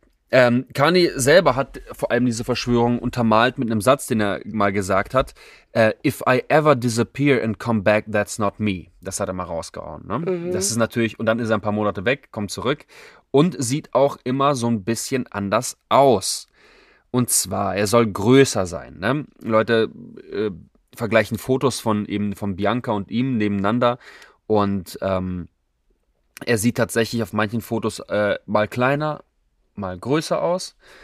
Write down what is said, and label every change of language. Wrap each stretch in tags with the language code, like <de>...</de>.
<de>Kanye selber hat vor allem diese Verschwörung untermalt mit einem Satz, den er mal gesagt hat.</de> <en>If I ever disappear and come back, that's not me.</en> <de>Das hat er mal rausgehauen. Ne? Mhm. Das ist natürlich, und dann ist er ein paar Monate weg, kommt zurück und sieht auch immer so ein bisschen anders aus. Und zwar, er soll größer sein. Ne? Leute vergleichen Fotos von Bianca und ihm nebeneinander und er sieht tatsächlich auf manchen Fotos mal kleiner, mal größer aus.</de>